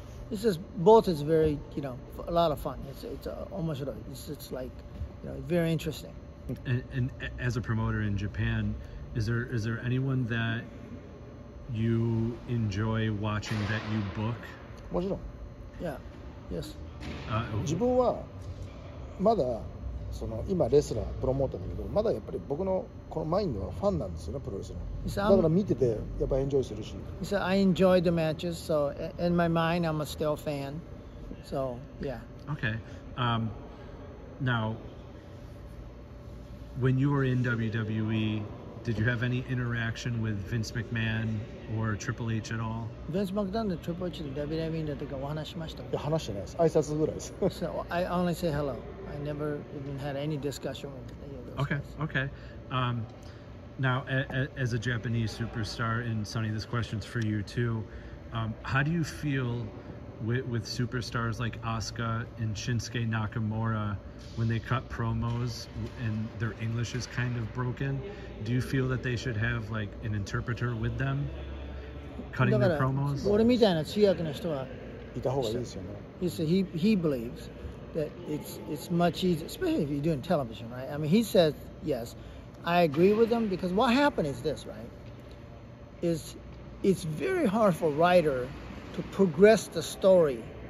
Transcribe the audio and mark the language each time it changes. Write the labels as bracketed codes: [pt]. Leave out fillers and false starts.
[en] This is both is very, you know, a lot of fun. It's [ja] 面白い。 [en] It's like, you know, very interesting. And as a promoter in Japan, is there anyone that you enjoy watching that you book? [ja] もちろん。 [en] Yeah. Yes. [ja] 自分はまだその今レスラープロモーターだけど、まだやっぱり僕のこのマインドはファンなんですよね、プロレスの。だから見ててやっぱエンジョイするし。 [en] He said, I enjoy the matches, so in my mind I'm a still fan. So yeah. Okay. Now, when you were in WWE, did you have any interaction with Vince McMahon? Or Triple H at all? Vince McMahon and Triple H and WWE in the time I talked about. I didn't talk about it. I just said hello. So I only say hello. I never even had any discussion with any of those guys. Okay. Now, as a Japanese superstar, and Sonny, this question's for you too. How do you feel with superstars like Asuka and Shinsuke Nakamura when they cut promos and their English is kind of broken? Do you feel that they should have like an interpreter with them? Cutting the promos? [ja] 俺みたいな通訳の人はいた方がいいですよね。 [en] He said he believes that it's much easier, especially if you're doing television, right? I mean, he says, yes, I agree with him because what happened is this, right? Is it's very hard for a writer to progress the story.